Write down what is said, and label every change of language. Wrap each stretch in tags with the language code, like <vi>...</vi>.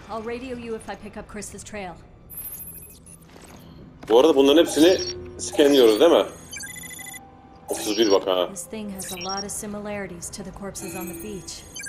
<en>I'll radio you if I pick up Chris's trail.</en> <tr>Bu arada bunların hepsini scanliyoruz değil mi? 31 bak ha.</tr> <en>This thing has a lot of similarities to the corpses on the beach.</en>